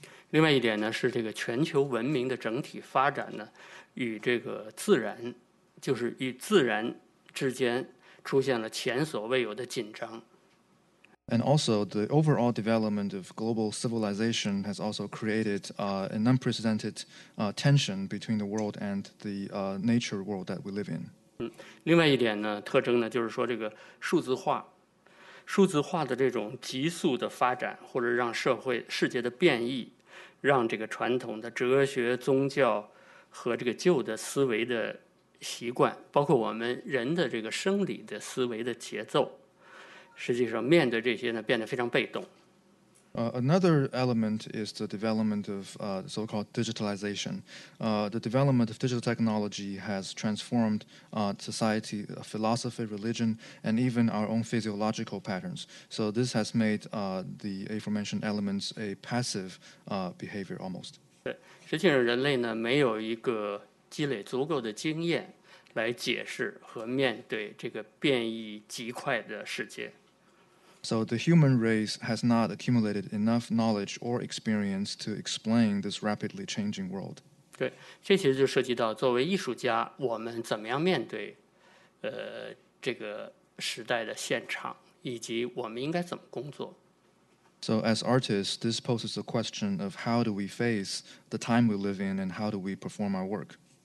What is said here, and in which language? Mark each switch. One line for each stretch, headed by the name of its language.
Chinese: 另外一点呢，是这个全球文明的整体发展呢。与这个自然，就是与自然之间出现了前所未有的紧张。
English: And also, the overall development of global civilization has also created an unprecedented tension between the world and the nature world that we live in.
Chinese: 另外一点呢，特征呢，就是说这个数字化的这种急速的发展，或者让世界的变异，让这个传统的哲学、宗教。和这个旧的思维的习惯，包括我们人的这个生理的思维的节奏，实际上面对这些呢，变得非常被动。
English: Another element is the development of so-called digitalization. The development of digital technology has transformed society, philosophy, religion, and even our own physiological patterns. So this has made the aforementioned elements a passive behavior almost.
Chinese: 实际上人类呢没有一个积累足够的经验来解释和面对这个变异极快的世界。
English: So the human race has not accumulated enough knowledge or experience to explain this rapidly changing world.
Chinese: 对，这其实就涉及到作为艺术家我们怎么样面对这个时代的现场以及我们应该怎么工作。
English: So as artists, this poses a question of how do we face the time we live in and how do we perform our work?